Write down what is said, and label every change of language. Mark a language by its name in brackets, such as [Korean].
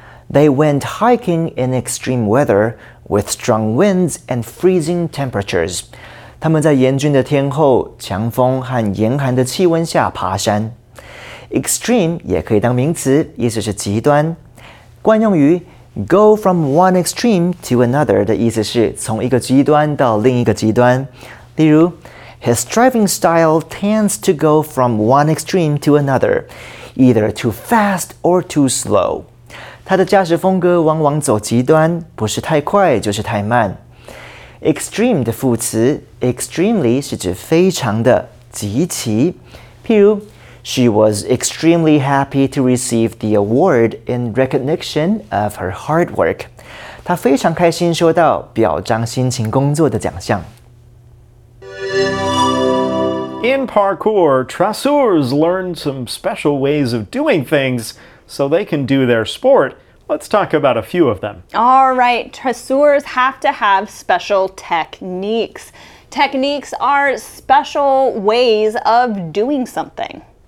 [English] They went hiking in extreme weather with strong winds and freezing temperatures. [Chinese] 他们在严峻的天候、强风和严寒的气温下爬山。 Extreme 也可以当名词，意思是极端。惯用于 [English] go from one extreme to another [Chinese] 的意思是从一个极端到另一个极端。例如 [English] His driving style tends to go from one extreme to another, either too fast or too slow. [Chinese] 他的驾驶风格往往走极端，不是太快就是太慢。 Extreme 的副词 extremely 是指非常的、极其。譬如 [English] ,She was extremely happy to receive the award in recognition of her hard work. [Chinese] 她非常开心收到表彰辛勤工作的奖项。 [English] In parkour, traceurs learn some special ways of doing things so they can do their sport. Let's talk about a few of them. All right, traceurs have to have special techniques. Techniques are special ways of doing something.